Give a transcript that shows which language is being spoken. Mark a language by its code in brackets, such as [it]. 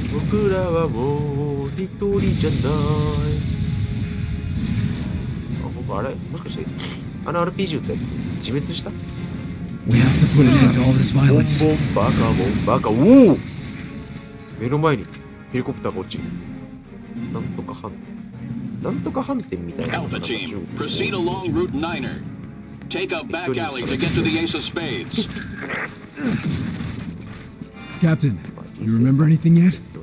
[ja] 僕らはもう一人じゃない。あ、僕あれもしかしてあの RPG って自滅した？ [en] We have to put an end to all this violence. [ja] ボンボンバカボンバカ、おお、目の前にヘリコプターが落ちる。なんとかハン、なんとかハンテンみたいな。 [en] Alpha team, proceed along Route Niner. Take a back alley to get to the Ace of Spades. Captain, you remember anything yet?